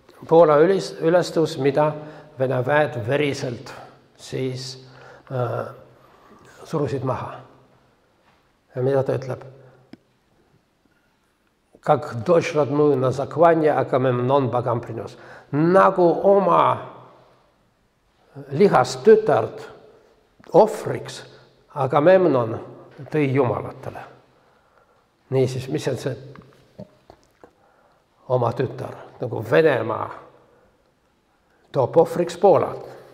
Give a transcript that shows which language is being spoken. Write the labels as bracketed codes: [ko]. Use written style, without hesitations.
[et] Poola ülestõus, mida vene väed veriselt siis surusid maha. Ja mida ta ütleb? [ru] Как дочь родную на закване, Агамемнон богам принес. [et] Nagu oma lihast tütart ofriks, Агамемнон tõi jumalatele. Nii siis, mis on see oma tütar, nagu Venemaa toob ofriks Poolat.